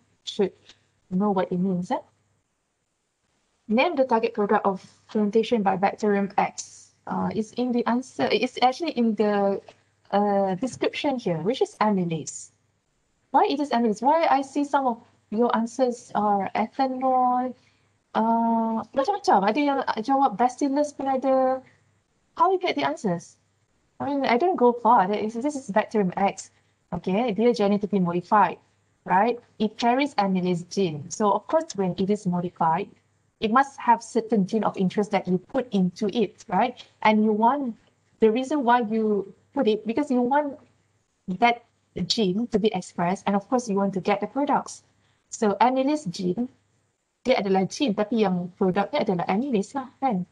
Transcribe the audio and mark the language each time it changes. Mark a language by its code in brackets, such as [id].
[en] Should know what it means. Eh? Name the target product of fermentation by bacterium X. It's in the answer. It's actually in the description here, which is amylase. Why it is amylase? Why I see some of your answers are ethanol. [ms] Macam-macam. Ada yang jawab bacillus pun ada. [en] How you get the answers? I mean, I don't go far. This is bacterium X. Okay, it is genetically modified, right? It carries amylase gene. So of course, when it is modified, it must have certain gene of interest that you put into it, right? And you want, the reason why you put it, because you want that gene to be expressed, and of course you want to get the products. So [ms] amylase gene, dia adalah gene, tapi yang produknya adalah amylase lah, kan?